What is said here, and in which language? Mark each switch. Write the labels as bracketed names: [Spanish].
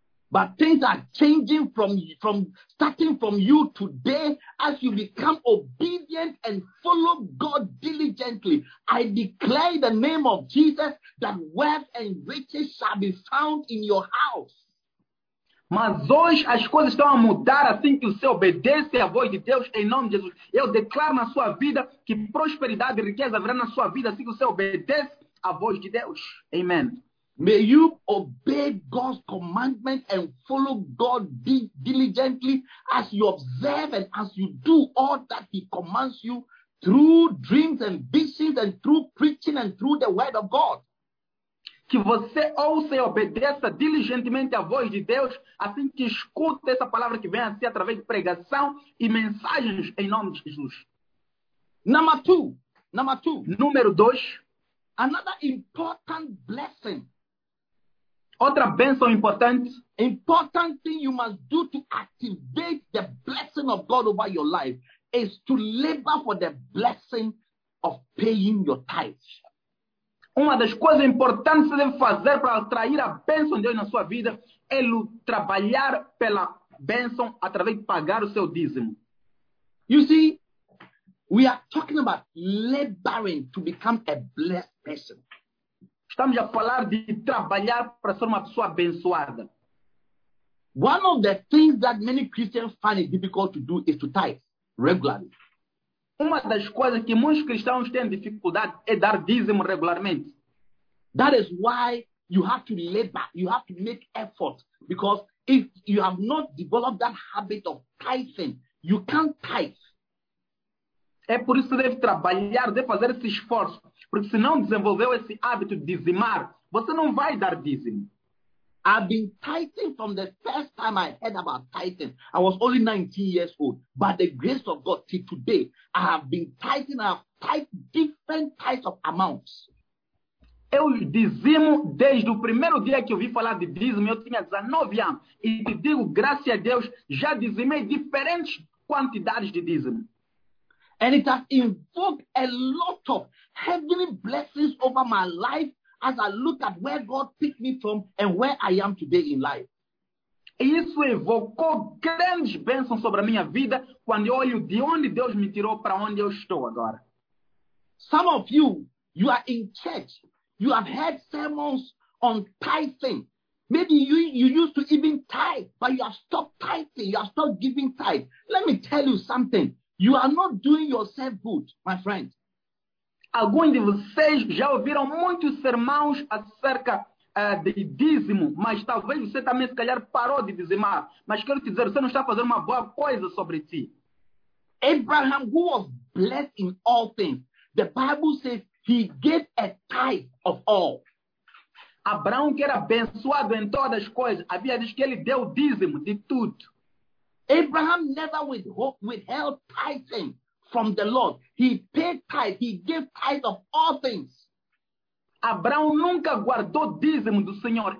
[English] But things are changing from starting from you today as you become obedient and follow God diligently. I declare the name of Jesus that wealth and riches shall be found in your house. [Portuguese] Mas hoje as coisas estão a mudar assim que você obedece à voz de Deus em nome de Jesus. Eu declaro na sua vida que prosperidade e riqueza virá na sua vida assim que você obedece à voz de Deus. Amen. [English] May you obey God's commandment and follow God diligently as you observe and as you do all that he commands you through dreams and visions and through preaching and through the word of God. [Portuguese] Que você ouça e obedeça diligentemente à voz de Deus, assim que escuta essa palavra que vem a ser através de pregação e mensagens em nome de Jesus. [English] Number two. [Portuguese] Número dois. [English] Another important blessing. [Portuguese] Outra bênção importante. [English] Important thing you must do to activate the blessing of God over your life is to labor for the blessing of paying your tithes. [Portuguese] Uma das coisas importantes que você deve fazer para atrair a bênção de Deus na sua vida é trabalhar pela bênção através de pagar o seu dízimo. [English] You see, we are talking about laboring to become a blessed person. [Portuguese] Estamos a falar de trabalhar para ser uma pessoa abençoada. [English] One of the things that many Christians find it difficult to do is to tithe regularly. [Portuguese] Uma das coisas que muitos cristãos têm dificuldade é dar dízimo regularmente. [English] That is why you have to labor, you have to make effort. Because if you have not developed that habit of tithing, you can't tithe. [Portuguese] É por isso que deve trabalhar, deve fazer esse esforço. Porque se não desenvolveu esse hábito de dizimar, você não vai dar dízimo. [English] I've been tithing from the first time I heard about tithing. I was only 19 years old. But the grace of God, till today, I have been tithing. I have tithed different types of amounts. [Portuguese] Eu dizimo desde o primeiro dia que eu ouvi falar de dízimo, eu tinha 19 anos. E te digo, graças a Deus, já dizimei diferentes quantidades de dízimo. [English] And it has invoked a lot of heavenly blessings over my life. As I look at where God picked me from and where I am today in life. [Portuguese] Isso evocou grandes bênçãos sobre a minha vida quando eu olho de onde Deus me tirou para onde eu estou agora. [English] Some of you, you are in church. You have heard sermons on tithing. Maybe you used to even tithe, but you have stopped tithing. You have stopped giving tithe. Let me tell you something. You are not doing yourself good, my friend. [Portuguese] Alguns de vocês já ouviram muitos sermãos acerca de dízimo, mas talvez você também, se calhar, parou de dizimar. Mas quero te dizer, você não está fazendo uma boa coisa sobre ti. [English] Abraham, who was blessed in all things, the Bible says he gave a tithe of all. [Portuguese] Abraão, que era abençoado em todas as coisas, havia dito que ele deu dízimo de tudo. [English] Abraham never withheld tithing. From the Lord. He paid tithe. He gave tithe of all things. [Portuguese] Abraão nunca guardou dízimo do Senhor.